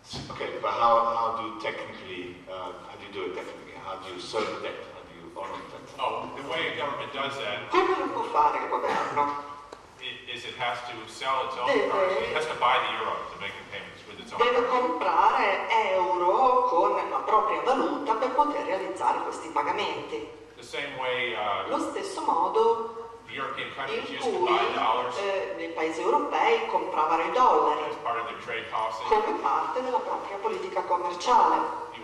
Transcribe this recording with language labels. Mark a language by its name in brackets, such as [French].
[English] Ok, but how do you technically how do you do it technically? How do you serve debt? How do you honor debt? Oh, the way a government does that. [Italian] Come lo può fare il governo? [English] It has to sell its own currency. It has to buy the euro to make the payments with its [Italian] deve comprare euro con la propria valuta per poter realizzare questi pagamenti. [English] The same way, [Italian] lo stesso modo in cui nei paesi europei compravano i dollari come parte della propria politica commerciale.